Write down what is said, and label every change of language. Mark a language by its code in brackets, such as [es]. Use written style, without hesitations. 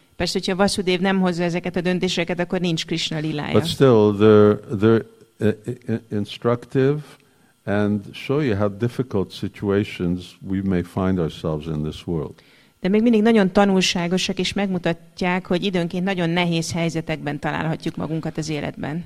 [hu] Persze, hogyha Vasudev nem hozza ezeket a döntéseket, akkor nincs Krishna lilája. [en] But still, they're instructive and show you how difficult situations we may find ourselves in this world. [hu] De még mindig nagyon tanulságosak, és megmutatják, hogy időnként nagyon nehéz helyzetekben találhatjuk magunkat az életben.